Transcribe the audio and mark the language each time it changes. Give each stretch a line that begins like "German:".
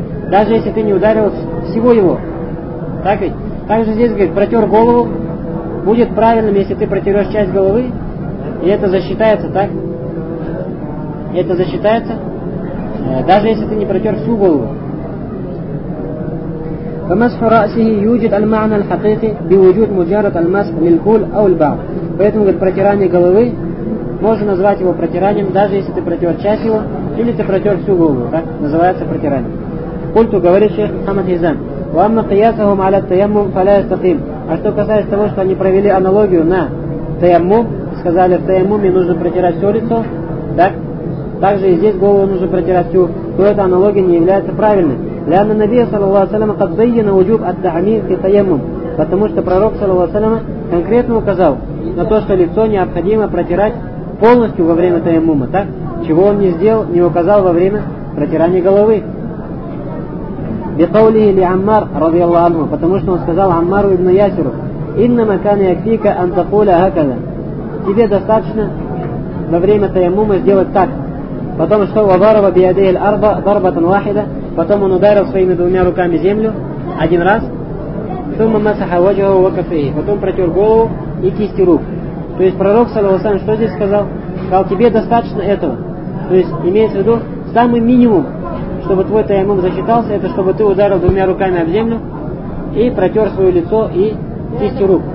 Russian: Даже если ты не ударил всего его. Так ведь? Также здесь, говорит, протер голову. Будет правильным, если ты протерешь часть головы, и это засчитается, так? Это засчитается, даже если ты не протер всю голову.
Arabic: فمسح رأسه يوجد المعنى الحقيقي بوجود مجرد المسح للكل أو البعض.
Russian: Поэтому говорит, протирание головы можно назвать его протиранием, даже если ты протер часть его или ты протер всю голову, так называется протирание. Культу говорит шейх Мухаммад Хизам.
Arabic: وأما قياسهم على التيمم فلا يستقيم.
Russian: А что касается того, что они провели аналогию на таяммум, сказали, в таяммуме нужно протирать все лицо, так? Также и здесь голову нужно протирать всю, то эта аналогия не является правильной.
Arabic: لأن النبي صلى الله عليه وسلم قد بين وجوب التعميم في التيمم.
Russian: Потому что пророк
Arabic: صلى الله عليه وسلم
Russian: конкретно указал на то, что лицо необходимо протирать полностью во время таяммума, так? Чего он не сделал, не указал во время протирания головы.
Arabic: بقوله لعمار رضي الله عنه.
Russian: Потому что он сказал Аммару ибн Ясиру:
Arabic: إنما كان يكفيك أن تقول هكذا.
Russian: Тебе достаточно во время таяммума сделать так. Потом что
Arabic: وضرب بيديه الأرض ضربة واحدة.
Russian: Потом он ударил своими двумя руками землю один раз.
Arabic: Сумма масаха ваджаху ва кафейхи.
Russian: Потом протер голову и кисти рук. То есть пророк, саллаллаху алейхи ва саллям, что здесь сказал? Сказал, тебе достаточно этого. То есть имеется в виду, самый минимум, чтобы твой таямум засчитался, это чтобы ты ударил двумя руками об землю и протер свое лицо и кисти рук.